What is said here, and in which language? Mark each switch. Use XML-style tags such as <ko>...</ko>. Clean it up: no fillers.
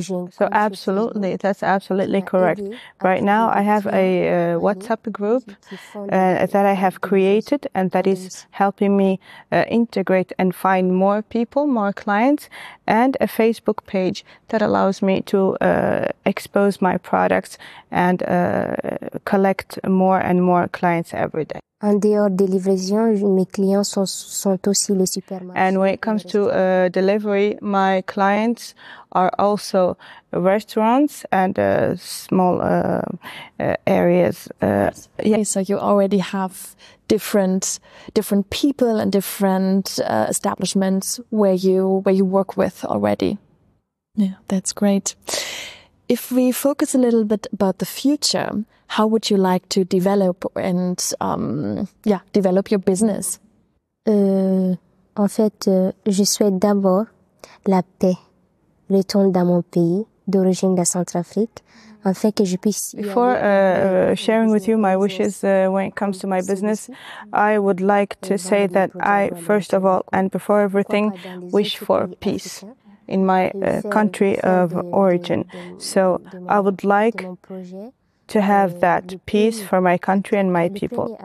<en>So absolutely, that's absolutely correct. Right now I have a WhatsApp group that I have created and that is helping me integrate and find more people, more clients, and a Facebook page that allows me to expose my products and collect more and more clients every day.</en> <fr>En dehors des livraisons, mes clients sont aussi les supermarchés.</fr> <en>And when it comes to delivery, my clients are also restaurants and small areas. Okay, so you already have different people and different establishments where you work with already. Yeah, that's great. If we focus a little bit about the future, how would you like to develop and develop your business?</en> <fr>En fait, je souhaite d'abord la paix, retourne dans mon pays d'origine de Centrafrique.</fr> <en>Before sharing with you my wishes when it comes to my business, I would like to say that I, first of all, and before everything, wish for peace in my country of origin. So I would like to have that peace for my country and my people.</en>